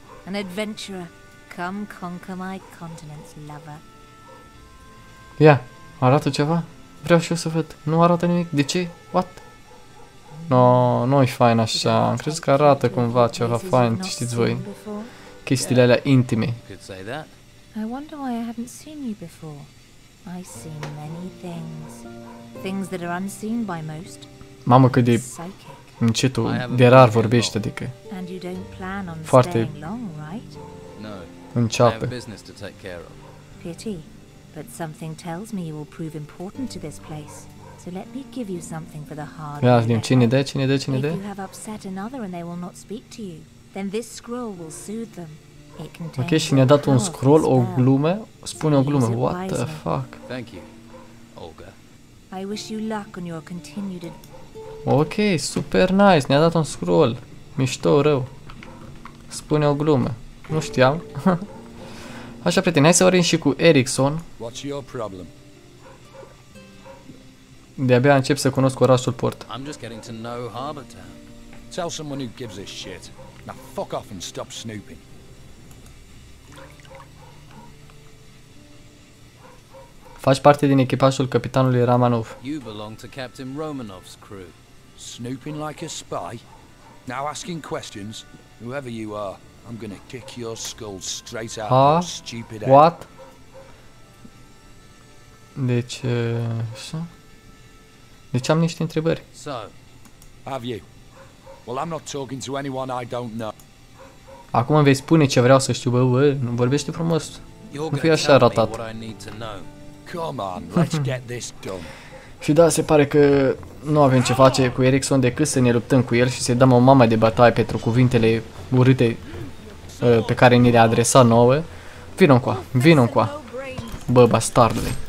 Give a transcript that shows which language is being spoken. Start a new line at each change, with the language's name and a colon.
English: An adventurer. Come conquer my continent, lover.
Romanian: Ia, arată ceva? Vreau și eu să văd. Nu arată nimic. De ce? What? No, nu-i fain așa. Am crezut că arată cumva ceva fain, știți voi. Chestiile alea intime.
English: I wonder why I haven't seen you before. I see many things. Things that are unseen by most.
Romanian: Mamă, cât de încetul, de rar vorbește, adică.
English: And you don't plan on staying long, right? No. Înceapă. I have business to take care of. Pity, but something tells me you will prove important to this place. So let me give you something for the hard.
Romanian: Ia, din cine de?
English: If you have upset another and they will not speak to you. Then this scroll will soothe them. It contains.
Romanian: Ok, și ne-a dat un scroll, o glumă, spune o glumă.
English: What the fuck? Thank you, Olga. I wish you luck on your continued.
Romanian: Ok, super nice. Ne-a dat un scroll. Mișto, rău. Spune o glumă. Nu știam. Așa, prieteni, hai să vorbim și cu Erikson.
English: What's your problem?
Romanian: De-abia încep să cunosc orașul Port.
English: I'm just getting to know Harbor Town. Tell someone who gives a shit. Now fuck off and stop snooping.
Romanian: Faci parte din echipajul capitanului Romanov.
English: You belong to Captain Romanov's crew. Snooping like a spy? Now asking questions? Whoever you are, I'm gonna kick your skull straight out of your stupid head. What?
Romanian: Deci, așa? Deci am niște întrebări.
English: So, have you? Well, I'm not talking to anyone I don't know.
Romanian: Acum îmi vei spune ce vreau să știu, bă, nu vorbește frumos. Nu fii așa ratat.
English: Come on, let's get this done.
Romanian: Și da, se pare că nu avem ce face cu Erikson decât să ne luptăm cu el și să-i dăm o mamă de bătaie pentru cuvintele urâte pe care ni le-a adresat nouă. Vino-ncoa. Bă, bastardule.